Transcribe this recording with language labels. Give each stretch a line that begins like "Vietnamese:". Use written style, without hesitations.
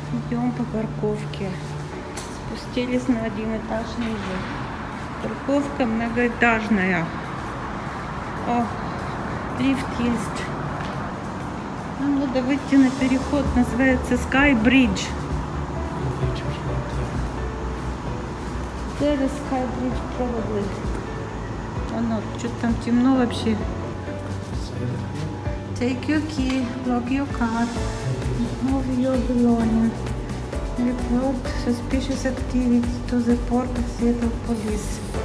Russian: Идем по парковке. Спустились на один этаж ниже. Парковка многоэтажная. О, лифт есть. Нам надо выйти на переход. Называется Sky Bridge.
English: There is Sky Bridge probably.
Russian: Оно, что-то там темно вообще.
English: Take your key, lock your car, move your belongings. Report suspicious activity to the Port of Seattle Police.